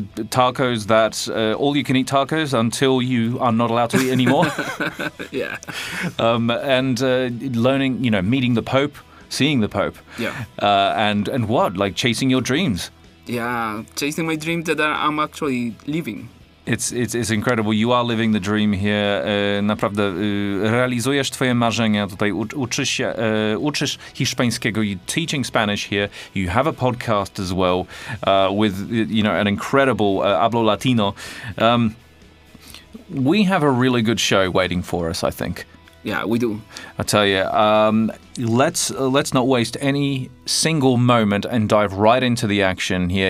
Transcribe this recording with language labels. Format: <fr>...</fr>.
<en>Tacos that, all you can eat tacos until you are not allowed to eat anymore. Yeah. Learning, meeting the Pope, seeing the Pope. Yeah. And chasing your dreams. Yeah, chasing my dream that I'm actually living. It's incredible. You are living the dream here.</en> <pl>Naprawdę realizujesz twoje marzenia tutaj. Uczysz hiszpańskiego.</pl> <en>You're teaching Spanish here. You have a podcast as well with an incredible Hablo Latino. We have a really good show waiting for us, I think. Yeah, we do. I tell you, let's not waste any single moment and dive right into the action here.</en>